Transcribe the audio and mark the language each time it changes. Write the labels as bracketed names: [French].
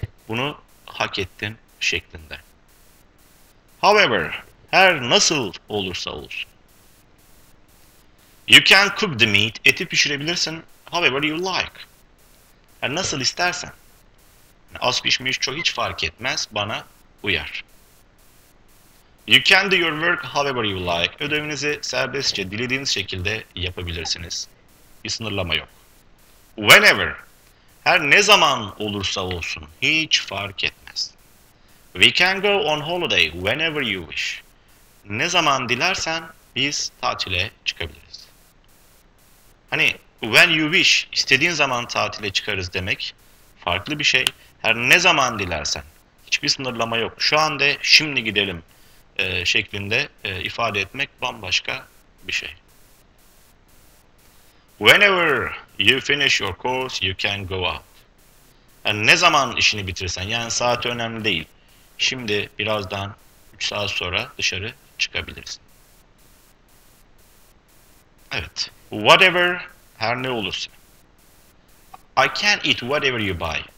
[Turkish] Bunu hak ettin şeklinde. However, her nasıl olursa olsun. [English] You can cook the meat, [Turkish] eti pişirebilirsin. [English] However you like. [Turkish] Yani nasıl istersen. Az pişmiş çok hiç fark etmez, bana uyar. [English] You can do your work however you like. [Turkish] Ödevinizi serbestçe, dilediğiniz şekilde yapabilirsiniz. Bir sınırlama yok. Whenever, her ne zaman olursa olsun, hiç fark etmez. [English] We can go on holiday whenever you wish. [Turkish] Ne zaman dilersen biz tatile çıkabiliriz. Hani [English] when you wish, [Turkish] istediğin zaman tatile çıkarız demek farklı bir şey. Her ne zaman dilersen, hiçbir sınırlama yok. Şu anda şimdi gidelim şeklinde ifade etmek bambaşka bir şey. [English] Whenever you finish your course, you can go out. [Turkish] Yani ne zaman işini bitirsen, yani saat önemli değil. Şimdi birazdan 3 saat sonra dışarı çıkabilirsin. [English] Evet. Whatever, [Turkish] her ne olursa. [English] I can eat whatever you buy.